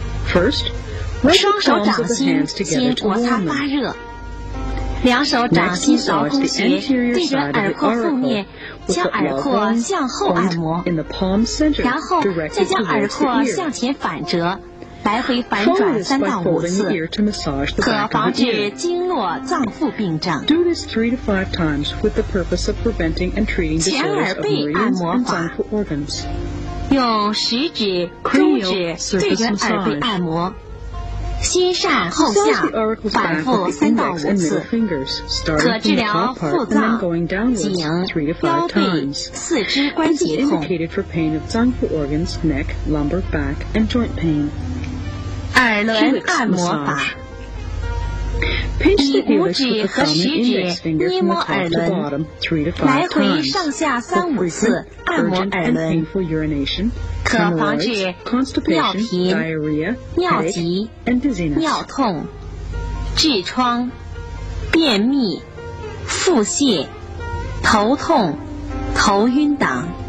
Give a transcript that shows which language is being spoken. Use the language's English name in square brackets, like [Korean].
[English] First, rub the palms of the hands together to warm them. [Chinese] 两手掌心凿空穴，对准耳廓腹面，将耳廓向后按摩，然后再将耳廓向前反折，来回反转三到五次，可防治经络脏腑病症。 [English] Do this 3 to 5 times with the purpose of preventing and treating disorders of meridians and vital organs. [Chinese] 用食指、中指对准耳背按摩，先上后下，反复三到五次，可治疗腹脏、颈、腰背、四肢关节痛。 [English] This is indicated for pain of 脏腑 organs, neck, lumbar, back, and joint pain. [Chinese] 耳轮按摩法，以拇指和食指捏摸耳轮，来回上下三五次按摩耳轮，可防治尿频、尿急、尿痛、痔疮、便秘、腹泻、头痛、头晕等。